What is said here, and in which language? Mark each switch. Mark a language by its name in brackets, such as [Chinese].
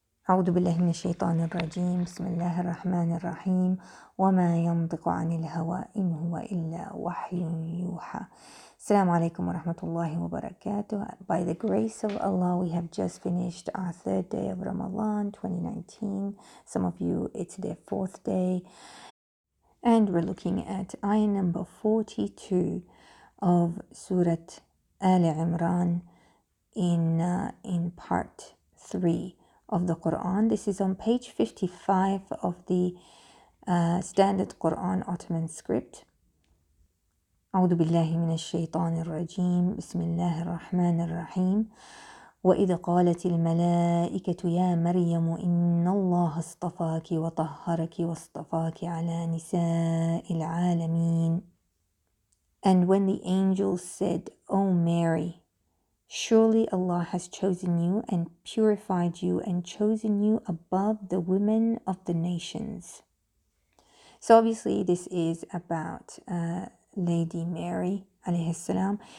[Arabic] أعوذ بالله من الشيطان الرجيم. بسم الله الرحمن الرحيم. وما ينطق عن الهوى إن هو إلا وحي يوحى. السلام عليكم ورحمة الله وبركاته. [English] By the grace of Allah, we have just finished our third day of Ramadan 2019. Some of you, it's their fourth day. And we're looking at ayah number 42 of Surah Ali Imran in part 3 of the Quran. This is on page 55 of the standard Quran Ottoman script. [Arabic] أعوذ بالله من الشيطان الرجيم. بسم الله الرحمن الرحيم. وإذ قالت الملائكة يا مريم إن الله اصطفاك وطهرك واصطفاك على نساء العالمين. [English] And when the angels said, O Mary, surely Allah has chosen you and purified you and chosen you above the women of the nations. So obviously this is about Lady Mary alayhi salam.